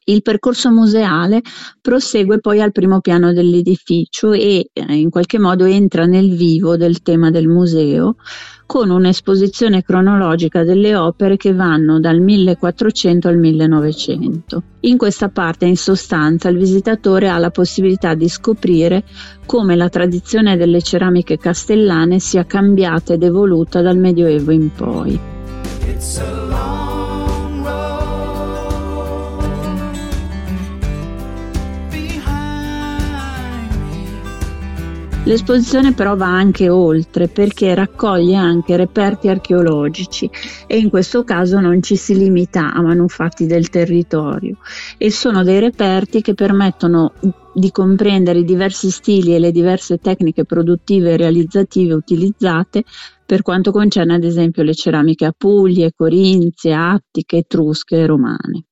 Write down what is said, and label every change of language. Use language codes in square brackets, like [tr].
[it] Il percorso museale prosegue poi al primo piano dell'edificio e in qualche modo entra nel vivo del tema del museo, con un'esposizione cronologica delle opere che vanno dal 1400 al 1900. In questa parte, in sostanza, il visitatore ha la possibilità di scoprire come la tradizione delle ceramiche castellane sia cambiata ed evoluta dal Medioevo in poi. [en] It's a long road behind me. [it] L'esposizione però va anche oltre, perché raccoglie anche reperti archeologici, e in questo caso non ci si limita a manufatti del territorio, e sono dei reperti che permettono di comprendere i diversi stili e le diverse tecniche produttive e realizzative utilizzate per quanto concerne ad esempio le ceramiche apulie, corinzie, attiche, etrusche e romane.